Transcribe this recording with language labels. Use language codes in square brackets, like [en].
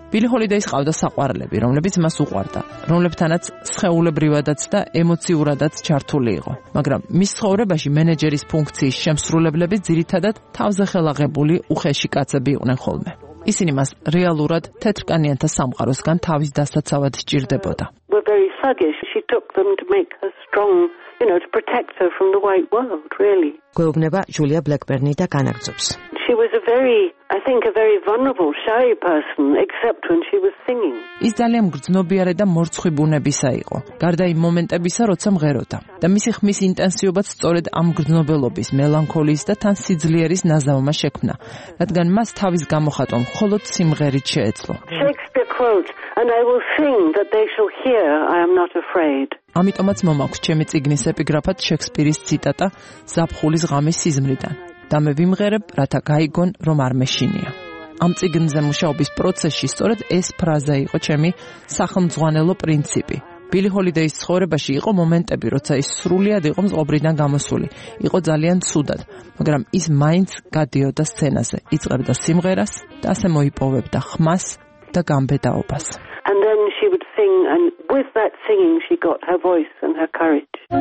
[ka] ბილი ჰოლიდეის ყავდა საყვარლები, რომლებიც მას უყვარდა, რომლებთანაც სხეულებრივადაც და ემოციურადაც ჩართული იყო. მაგრამ მის ცხოვრებაში მენეჯერის ფუნქციის შემსრულებლები ძირითადად თავზე ხელაღებული უხეში კაცები იყვნენ ხოლმე. ისინი მას რეალურად თეთრკანიანთა სამყაროსგან თავის დასაცავად სჭირდებოდა. [en] She took them to make her strong, you know, to protect her from the white world, really. [ka] გვეუბნება ჯულია ბლეკბერნი და განაგრძობს. [en] She was a very vulnerable, shy person except when she was singing. [ka] ის ძალიან მგრძნობიარე და მორცხვი ბუნებისა იყო, გარდა იმ მომენტებისა, როცა მღეროდა. და მისი ხმის ინტენსივობაც სწორედ ამ მგრძნობელობის, მელანქოლიის და თან სიძლიერის ნაზავმა შექმნა, რადგან მას თავის გამოხატვა მხოლოდ სიმღერით შეეძლო. [en] Shakespeare quote, and I will sing that they shall hear I am not afraid. [ka] ამიტომაც მომაქვს ჩემი წიგნის ეპიგრაფად შექსპირის ციტატა ზაფხულის ღამის სიზმრიდან: და მე ვიმღერებ, რათა გაიგონ, რომ არ მეშინია. ამ წიგნზე მუშაობის პროცესში სწორედ ეს ფრაზა იყო ჩემი სახელმძღვანელო პრინციპი. ბილი ჰოლიდეის ცხოვრებაში იყო მომენტები, როცა ის სრულიად იყო მწყობრიდან გამოსული, იყო ძალიან ცუდად, მაგრამ ის მაინც გადიოდა სცენაზე, იწყებდა სიმღერას და ასე მოიპოვებდა ხმას და გამბედაობას. [en] And then she would sing and with that singing she got her voice and her courage.